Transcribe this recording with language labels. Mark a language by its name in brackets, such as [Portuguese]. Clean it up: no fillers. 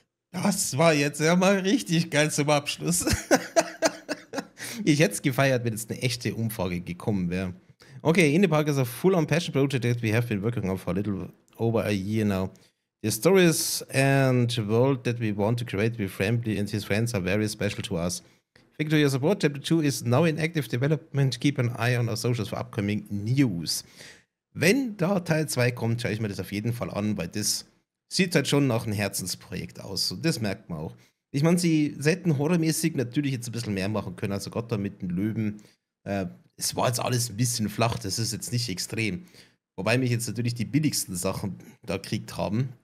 [German] Das war jetzt ja mal richtig geil zum Abschluss. Ich hätte es gefeiert, wenn jetzt eine echte Umfrage gekommen wäre. [English] Okay, Indie Park is a full-on passion project that we have been working on for a little over a year now. The stories and world that we want to create with Rambly and his friends are very special to us. Thank you for your support. Chapter 2 is now in active development. Keep an eye on our socials for upcoming news. [German] Wenn da Teil 2 kommt, schaue ich mir das auf jeden Fall an, weil das sieht halt schon nach einem Herzensprojekt aus. Und das merkt man auch. Ich meine, sie hätten horrormäßig natürlich jetzt ein bisschen mehr machen können. Also Gott da mit den Löwen. Es war jetzt alles ein bisschen flach. Das ist jetzt nicht extrem. Wobei mich jetzt natürlich die billigsten Sachen da gekriegt haben.